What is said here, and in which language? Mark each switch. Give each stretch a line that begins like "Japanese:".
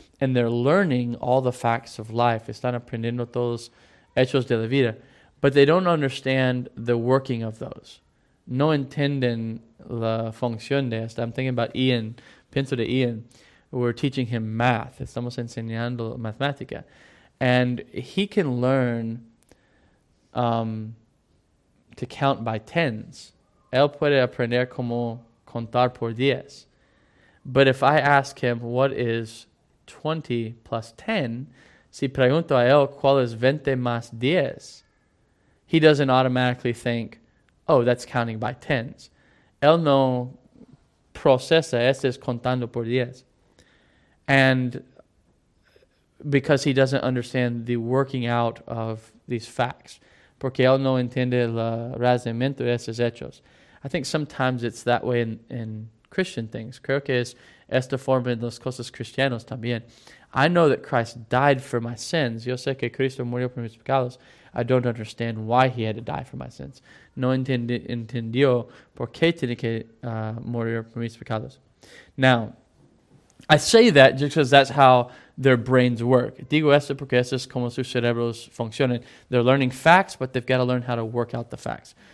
English: And they're learning all the facts of life.
Spanish: Están aprendiendo todos los hechos de la vida.
English: But they don't understand the working of those.
Spanish: No entienden la función de esta.
English: I'm thinking about Ian.
Spanish: Pienso de Ian.
English: We're teaching him math.
Spanish: Estamos enseñando matemática.
English: And he can learn to count by tens.
Spanish: Él puede aprender cómo contar por diez.
English: But if I ask him, what is 20 plus 10?
Spanish: Si pregunto a él, ¿cuál es 20 más 10?
English: He doesn't automatically think, oh, that's counting by tens.
Spanish: Él no procesa, este es contando por diez.
English: And because he doesn't understand the working out of these facts.
Spanish: Porque él no entiende el razonamiento de esos hechos.
English: I think sometimes it's that way in Christian things.
Spanish: Creo que es esta forma en las cosas cristianas también.
English: I know that Christ died for my sins.
Spanish: Yo sé que Cristo murió por mis pecados.
English: I don't understand why he had to die for my sins.
Spanish: No entendió por qué tiene que morir por mis pecados.
English: Now, I say that just because that's how their brains work.
Spanish: Digo esto porque eso es como sus cerebros funcionan.
English: They're learning facts, but they've got to learn how to work out the facts.